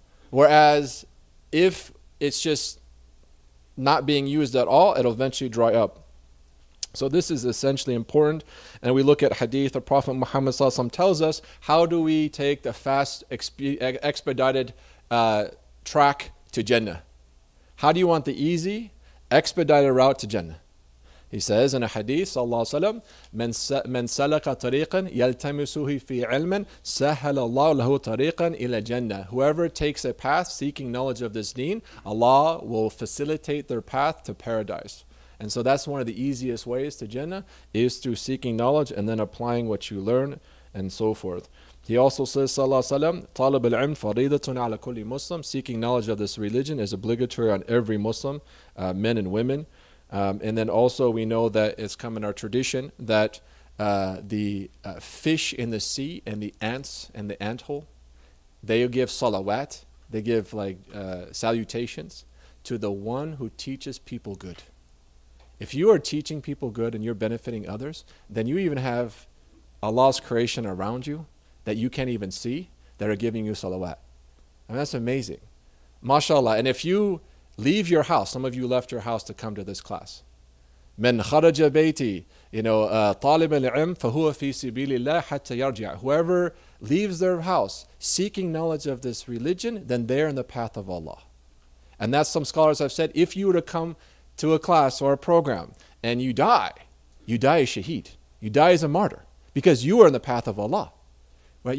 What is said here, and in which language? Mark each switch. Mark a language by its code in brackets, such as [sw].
[en] Whereas if it's just not being used at all, it'll eventually dry up. So this is essentially important. And we look at Hadith, the Prophet Muhammad Sallallahu Alaihi Wasallam tells us, how do we take the fast, expedited track to Jannah? How do you want the easy, expedited route to Jannah? He says in a Hadith, [ar] Sallallahu Alaihi Wasallam, من سلك طريقا يلتمسه في علم سهل الله له طريقا إلى الجنة. [en] Whoever takes a path seeking knowledge of this deen, Allah will facilitate their path to paradise. And so that's one of the easiest ways to Jannah, is through seeking knowledge and then applying what you learn and so forth. He also says, [ar] Sallallahu Alaihi Wasallam, طالب العلم فريضة على كل مسلم. [en] Seeking knowledge of this religion is obligatory on every Muslim, men and women. And then also we know that it's come in our tradition that the fish in the sea and the ants and the anthole, they give salawat, they give salutations to the one who teaches people good. If you are teaching people good and you're benefiting others, then you even have Allah's creation around you that you can't even see that are giving you salawat. I mean, that's amazing. MashaAllah. And if you leave your house, some of you left your house to come to this class. [ar] من خرج بيتي, [en] you know, [ar] طالب العلم فهو في سبيل الله حتى يرجع. [en] Whoever leaves their house seeking knowledge of this religion, then they're in the path of Allah. And that's some scholars have said, if you were to come to a class or a program and you die a shaheed. You die as a martyr because you are in the path of Allah. Right?